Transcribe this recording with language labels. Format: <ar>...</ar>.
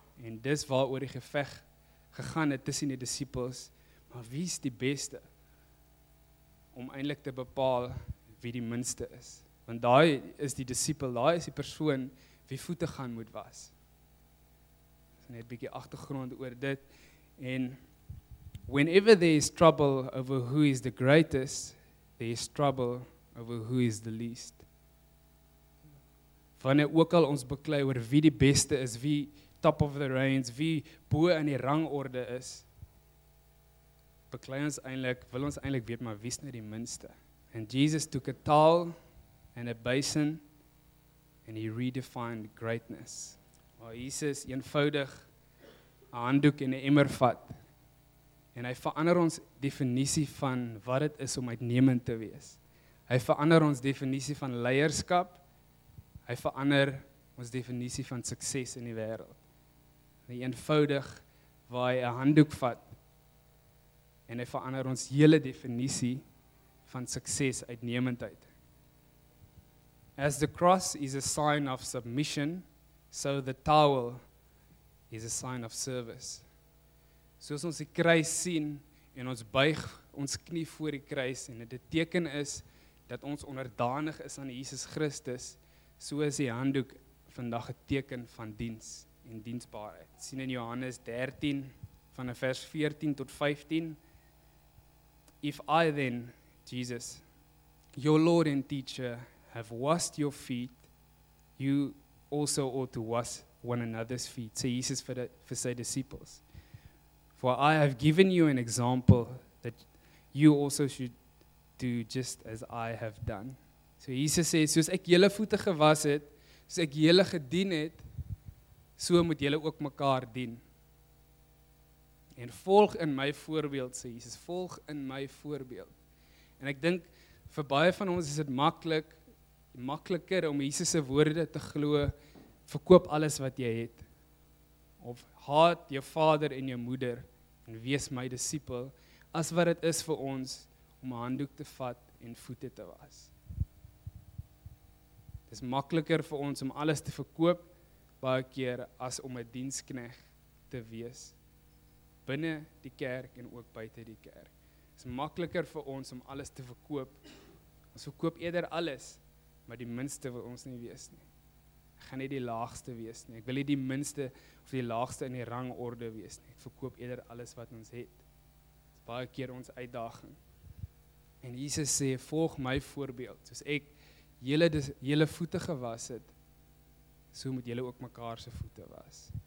<af>En dis waar oor die geveg gegaan het tussen die disippels, maar wie is die beste om eindelijk te bepaal wie die minste is. Want daai is die disipel, daai is die persoon wie voete gaan moet was. Dis net 'n bietjie agtergrond oor dit.</af> <en>En whenever there is trouble over who is the greatest, there is trouble over who is the least.</en> <af>Wanneer ook al ons beklei oor wie die beste is, wie top of the range, wie bo in die rangorde is, beklei ons eintlik, wil ons eintlik weet, maar wie is nou die minste?</af> <en>En Jesus took a towel and a basin, and he redefined greatness.</en> <af>Waar Jesus eenvoudig een handdoek en een emmer vat, en hy verander ons definisie van wat het is om uitnemend te wees. Hy verander ons definisie van leierskap, hy verander ons definisie van sukses in die wêreld. Hy eenvoudig waar hy een handdoek vat, en hy verander ons hele definisie van sukses uitnemendheid.</af> <en>As the cross is a sign of submission, so the towel is a sign of service.</en> <af>Soos ons die kruis sien en ons buig ons knie voor die kruis en dit 'n teken is dat ons onderdanig is aan Jesus Christus, so is die handdoek vandag 'n teken van diens en diensbaarheid. Sien in Johannes 13 van vers 14 tot 15,</af> <en>If I then, Jesus, your Lord and teacher, have washed your feet, you also ought to wash one another's feet.</en> <af>Sê Jesus vir sy</af> <en>disciples. For I have given you an example that you also should do just as I have done.</en> <af>So Jesus sê, soos ek julle voete gewas het, soos ek julle gedien het, so moet julle ook mekaar dien. En volg in my voorbeeld, sê Jesus, volg in my voorbeeld. En ek dink, vir baie van ons is dit makliker om Jesus se woorde te glo, verkoop alles wat jy het, of haat jou vader en jou moeder, en wees my disipel, as wat het is vir ons, om 'n handdoek te vat en voete te was. Het is makliker vir ons om alles te verkoop, baie keer, as om 'n diensknegt te wees, binne die kerk en ook buite die kerk. Dit is makliker vir ons om alles te verkoop. Ons verkoop eerder alles, maar die minste wil ons nie wees nie. Ek gaan nie die laagste wees nie. Ek wil nie die minste of die laagste in die rangorde wees nie. Ek verkoop eerder alles wat ons het. Dit is baie keer ons uitdaging. En Jesus sê, volg my voorbeeld. Soos ek julle voete gewas het, so moet julle ook mekaar se voete was.</af>